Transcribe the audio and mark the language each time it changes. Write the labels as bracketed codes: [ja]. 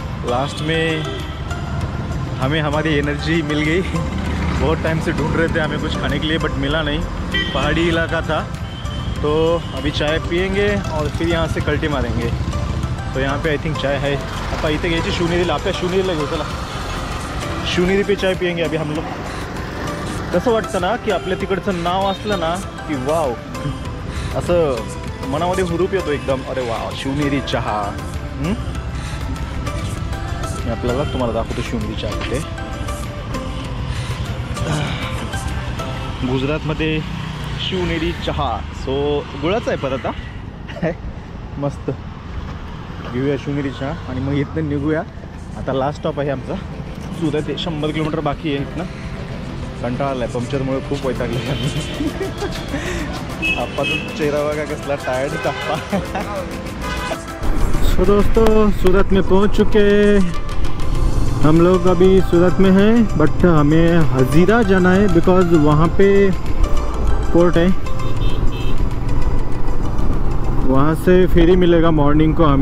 [hi] Last में हमें हमारी एनर्जी मिल गई, बहुत टाइम से ढूंढ रहे थे हमें कुछ खाने के लिए, बट मिला नहीं, पहाड़ी इलाका था। तो अभी चाय पियेंगे और फिर यहाँ से कल्टी मारेंगे। तो यहाँ पे आई थिंक चाय है, आप इतने गए थे शूनेरी, आप शूनेरी लगे चला शूनेरी पे चाय पियेंगे अभी हम लोग। [mr] कसं वाटतं ना की आपल्या तिकडचं नाव असलं ना की वाव, असं मनामध्ये हुरूप येतो एकदम, अरे वाव शिवनेरी चहा। मी आपल्याला तुम्हाला दाखवतो शिवनेरी चहा कुठे। गुजरातमध्ये शिवनेरी चहा सो गुळाचा आहे परत, हा मस्त घेऊया शिवनेरी चहा आणि मग इथनं निघूया। आता लास्ट स्टॉप आहे आमचा सुरत, 100 किलोमीटर बाकी आहे इथनं। कंटाळा आलाय पंक्चरमुळे, खूप वैतागले आपण, चेहरा बघा कसला टायर्ड टप्पा। [hi] सो दोस्तो सूरत में पहुंच चुके हम लोग, अभी सूरत में हैं, बट हमें हजीरा जाना है बिकॉज वहाँ पे पोर्ट है, वहाँ से फेरी मिलेगा मॉर्निंग को हमें।